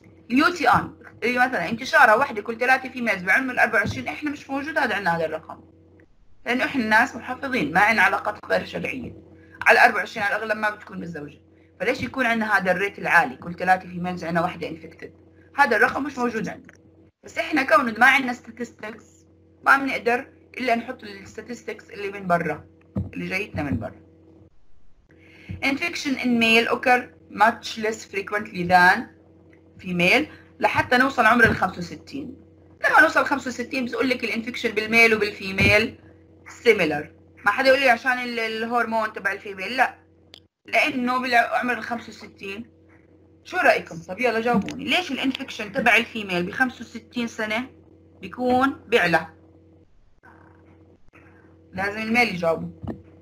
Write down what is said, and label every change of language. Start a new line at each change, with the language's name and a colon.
Arabic: اليو تي ان اللي مثلا انتشارها وحده كل ثلاثه في ميز بعمر ال 24 احنا مش موجود هذا عندنا هذا الرقم لانه احنا ناس محافظين ما عندنا علاقات غير شرعيه على ال 24 على الاغلب ما بتكون متزوجه فليش يكون عندنا هذا الريت العالي كل 3 في ميلز عندنا واحدة انفكتد؟ هذا الرقم مش موجود عندنا. بس احنا كون ما عندنا statistics ما بنقدر الا نحط statistics اللي من برا اللي جايتنا من برا.
English: Infection in male occur much less frequently than female
Arabic: لحتى نوصل عمر ال 65. لما نوصل 65 بتقول لك الانفكشن بالميل وبالفيميل سيميلر. ما حدا يقول لي عشان الهرمون تبع الفيميل، لا، لانه بالعمر ال 65. شو رايكم؟ طب يلا جاوبوني، ليش الانفكشن تبع الفيميل ب 65 سنه بيكون بعلى؟ لازم الميل يجاوب.